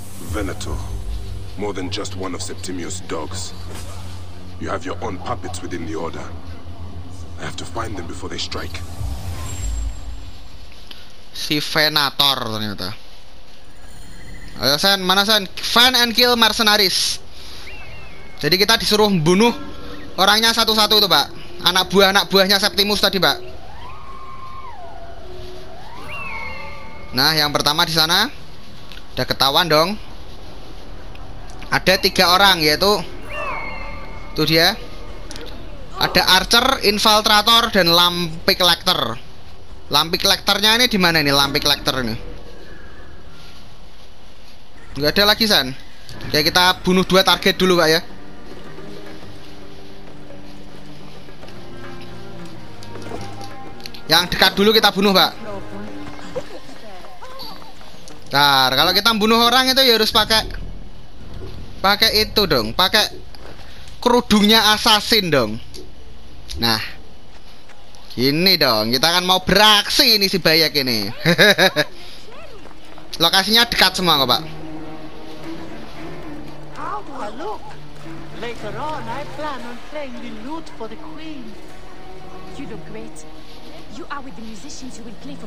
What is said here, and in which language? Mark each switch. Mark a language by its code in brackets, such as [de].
[en] Venator. More than just one of Septimius' dogs. You have your own puppets within the order. I have to find them before they strike. [id] Si Venator ternyata. Ayo Sen, mana Sen? [en] Find and kill mercenaries. [id] Jadi kita disuruh bunuh orangnya satu-satu itu Pak. Anak buahnya Septimus tadi Pak. Nah, yang pertama di sana. Udah ketahuan dong. Ada tiga orang yaitu itu dia. Ada archer, infiltrator dan lampi collector. Lampi collectornya ini di mana nih lampi collector ini? Enggak ada lagi San. Ya kita bunuh dua target dulu Pak ya. Yang dekat dulu kita bunuh Pak. Ntar kalau kita bunuh orang itu ya harus pakai itu dong, pakai kerudungnya assassin dong. Nah, gini dong, kita kan mau beraksi ini si Bayek ini. Lokasinya dekat semua kok Pak. [en] How do I look? Later on, I plan on playing the lute for the queen. You look great. You are with the musicians who will play for.